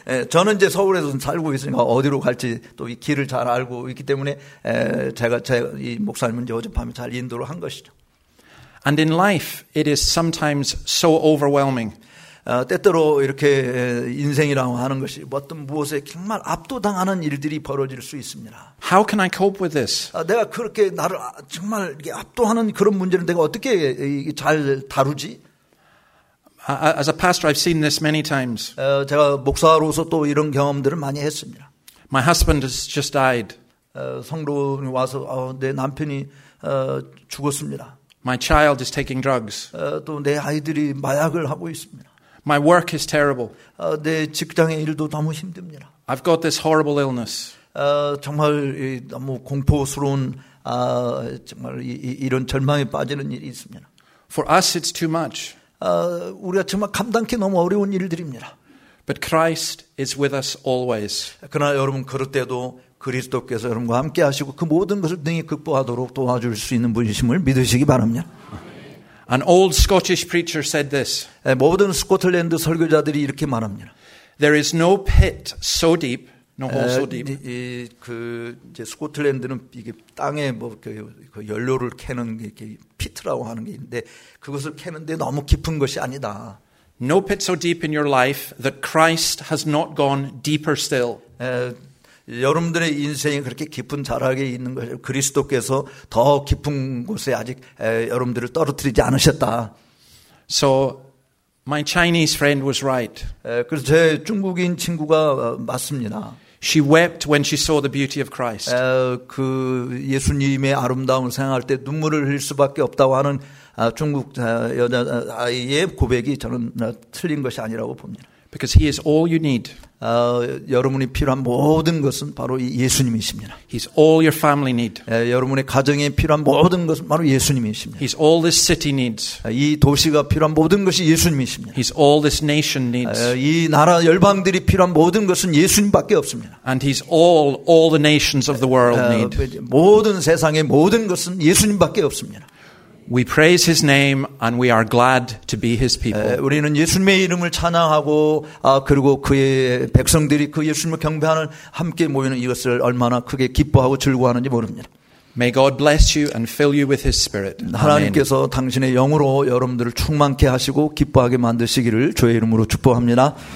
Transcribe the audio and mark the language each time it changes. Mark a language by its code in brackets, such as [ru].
[ko] 저는 이제 서울에서 살고 있으니까 어디로 갈지 또 이 길을 잘 알고 있기 때문에 제가 이 목사님은 이제 어젯밤에 잘 인도를 한 것이죠. [en] And in life, it is sometimes so overwhelming. [ko] 때때로 이렇게 인생이라고 하는 것이 어떤 무엇에 정말 압도당하는 일들이 벌어질 수 있습니다. [en] How can I cope with this? [ko] 내가 그렇게 나를 정말 압도하는 그런 문제는 내가 어떻게 잘 다루지? [en] As a pastor, I've seen this many times. [ko] 제가 목사로서 또 이런 경험들을 많이 했습니다. [en] My husband has just died. [ko] 성도님 와서 내 남편이 죽었습니다. [en] My child is taking drugs. [ko] 또 내 아이들이 마약을 하고 있습니다. [en] My work is terrible. [ko] 내 직장의 일도 너무 힘듭니다. [en] I've got this horrible illness. [ko] 정말 너무 공포스러운 정말 이런 절망에 빠지는 일이 있습니다. [en] For us, it's too much. [ko] 우리가 정말 감당하기 너무 어려운 일들입니다. [en] But Christ is with us always. [ko] 그러나 여러분 그럴 때도 그리스도께서 여러분과 함께 하시고 그 모든 것을 능히 극복하도록 도와줄 수 있는 분이심을 믿으시기 바랍니다. [en] An old Scottish preacher said this. [ko] 모든 스코틀랜드 설교자들이 이렇게 말합니다. [en] There is no pit so deep, no hole so deep. [ko] 이제 스코틀랜드는 이게 땅에 뭐 그 연료를 캐는 게 피트라고 하는 게 있는데 그것을 캐는데 너무 깊은 것이 아니다. [en] No pit so deep in your life that Christ has not gone deeper still. [ko] 여러분들의 인생이 그렇게 깊은 자락에 있는 것을 그리스도께서 더 깊은 곳에 아직 여러분들을 떨어뜨리지 않으셨다. [en] So my Chinese friend was right. [ko] 그래서 제 중국인 친구가 맞습니다. [en] She wept when she saw the beauty of Christ. [ko] 그 예수님의 아름다움을 생각할 때 눈물을 흘릴 수밖에 없다고 하는 중국 여자 아이의 고백이 저는 틀린 것이 아니라고 봅니다. [en] Because he is all you need. [ko] 여러분이 필요한 모든 것은 바로 예수님이십니다. [en] He's all your family need. [ko] 여러분의 가정에 필요한 모든 것은 바로 예수님이십니다. [en] He's all this city needs. [ko] 이 도시가 필요한 모든 것이 예수님이십니다. [en] He's all this nation needs. [ko] 이 나라 열방들이 필요한 모든 것은 예수님밖에 없습니다. [en] And he's all the nations of the world need. [ko] 모든 세상의 모든 것은 예수님밖에 없습니다. [en] We praise His name, and we are glad to be His people. [ko] 우리는 예수님의 이름을 찬양하고 그리고 그의 백성들이 그 예수님을 경배하는 함께 모이는 이것을 얼마나 크게 기뻐하고 즐거워하는지 모릅니다. [en] May God bless you and fill you with His Spirit. [ko] 하나님께서 Amen. 당신의 영으로 여러분들을 충만케 하시고 기뻐하게 만드시기를 주의 이름으로 축복합니다.